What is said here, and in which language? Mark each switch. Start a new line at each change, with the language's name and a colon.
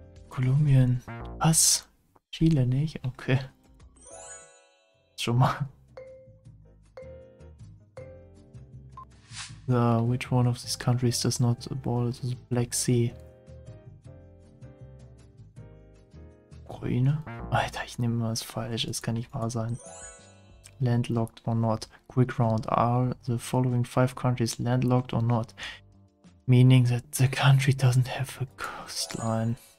German: Kolumbien. Was? Chile nicht? Okay. Schon mal.
English: Which one of these countries does not border to the Black Sea? Ukraine?
German: Alter, ich nehme mal das falsch, es kann nicht wahr sein.
English: Landlocked or not? Quick round. Are the following five countries landlocked or not? Meaning that the country doesn't have a coastline.